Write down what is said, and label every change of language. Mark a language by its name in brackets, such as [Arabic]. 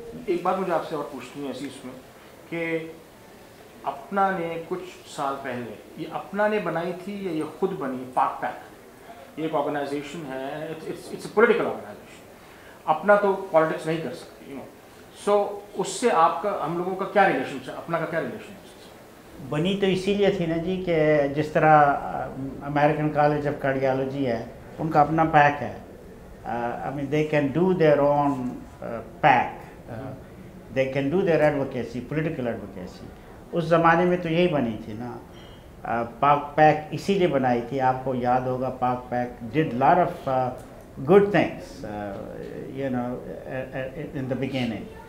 [Hindi] एक बात मुझे आपसे और पूछनी है इसमें, कि अपना ने कुछ साल पहले, ये अपना ने बनाई थी या ये खुद बनी, पाक पैक एक ऑर्गेनाइजेशन है, [English] it's political organization, [Hindi] अपना तो पॉलिटिक्स नहीं कर सकते, यू नो. सो उससे आपका, हम लोगों का क्या रिलेशन है, अपना का क्या रिलेशन है? बनी तो इसीलिए थी ना जी, कि जिस तरह अमेरिकन कॉलेज ऑफ कार्डियोलॉजी है, उनका अपना पैक है. [English] I mean, they can do their own pack. They can do their advocacy, political advocacy. [Hindi] उस ज़माने में तो यही बनी थी ना. पाक पैक इसीलिए बनाई थी, आपको याद होगा पाक pack [English] did lot of good things, you know, in the beginning.